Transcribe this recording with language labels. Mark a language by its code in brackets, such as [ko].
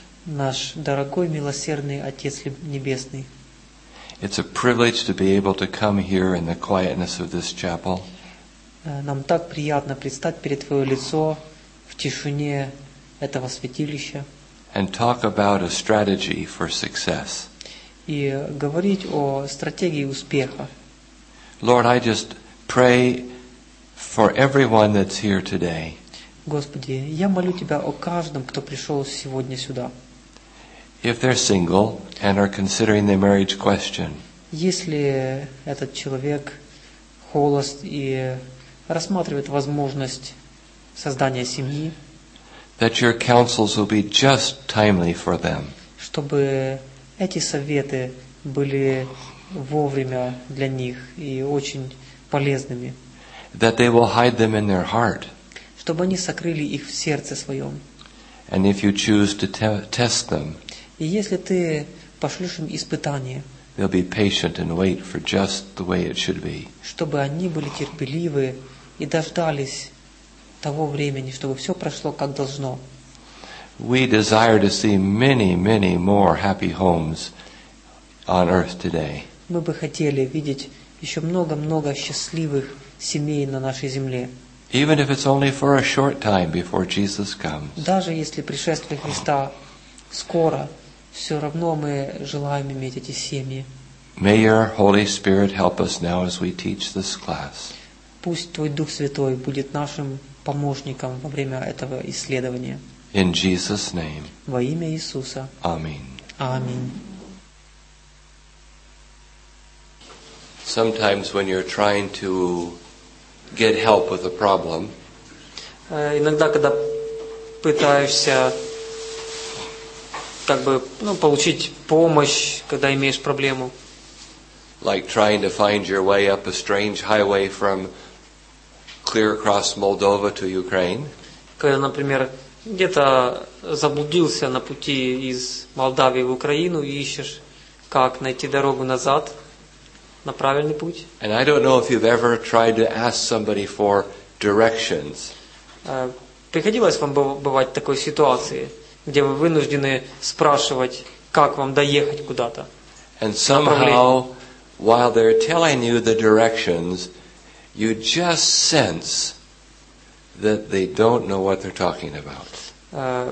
[ru] Наш дорогой милосердный Отец небесный. [en] It's a privilege to be able to come here in the quietness of this chapel. [ru] Нам так приятно предстать перед Твое лицо в тишине этого святилища. [en] And talk about a strategy for success. [ru] И говорить о стратегии успеха. [en] Lord, I just pray for everyone that's here today. [ru] Господи, я молю Тебя о каждом, кто пришел сегодня сюда. [en] If they're single and are considering the marriage question. [ru] Если этот человек холост и рассматривает возможность создания семьи. [en] That your counsels will be just timely for them. [ru] Чтобы эти советы были вовремя для них и очень полезными. [en] That they will hide them in their heart. [ru] Чтобы они сокрыли их в сердце своем. [en] And if you choose to test them. [ru] И если ты пошлешь им испытание. [en] They'll be patient and wait for just the way it should be. [ru] Чтобы они были терпеливы и дождались того времени, чтобы все прошло как должно. [en] We desire to see many, many more happy homes on earth today. [ru] Мы бы хотели видеть еще много-много счастливых семей на нашей земле. [en] Even if it's only for a short time before Jesus comes. [ru] Даже если пришествие Христа скоро, все равно мы желаем иметь эти семьи. [en] May your Holy Spirit help us now as we teach this class. [ru] Пусть Твой Дух Святой будет нашим помощником во время этого исследования. [en] In Jesus' name. [ru] Во имя Иисуса. Аминь. Аминь. [en] Sometimes when you're trying to get help with a problem, [ru] иногда когда пытаешься как бы получить помощь, когда имеешь проблему, [en] like trying to find your way up a strange highway from clear across Moldova to Ukraine, [ru] когда, например, где-то заблудился на пути из Молдавии в Украину и ищешь, как найти дорогу назад. На правильный путь. [en] And I don't know if you've ever tried to ask somebody for directions. [ru] Приходилось вам бывать в такой ситуации, где вы вынуждены спрашивать, как вам доехать куда-то? [en] And somehow, while they're telling you the directions, you just sense that they don't know what they're talking about.